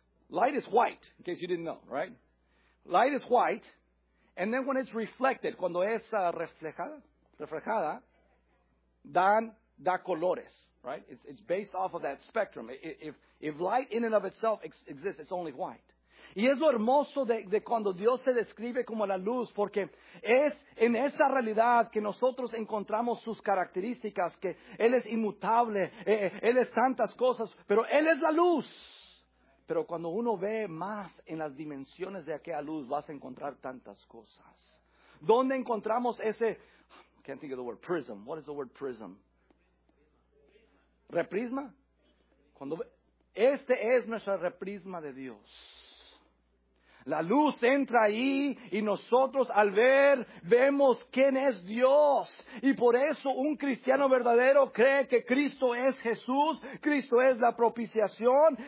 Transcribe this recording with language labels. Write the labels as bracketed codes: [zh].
[en] Light is white, in case you didn't know, right? Light is white, and then when it's reflected, [es] cuando es reflejada, da colores, [en] right? It's based off of that spectrum. If light in and of itself exists, it's only white. [es] Y es lo hermoso de cuando Dios se describe como la luz, porque es en esa realidad que nosotros encontramos sus características, que Él es inmutable, Él es tantas cosas, pero Él es la luz. Pero cuando uno ve más en las dimensiones de aquella luz, vas a encontrar tantas cosas. ¿Dónde encontramos ese, [en] can't think of the word, prism? What is the word prism? ¿Reprisma? [es] Este es nuestro reprisma de Dios. La luz entra ahí y nosotros al ver, vemos quién es Dios. Y por eso un cristiano verdadero cree que Cristo es Jesús, Cristo es la propiciación.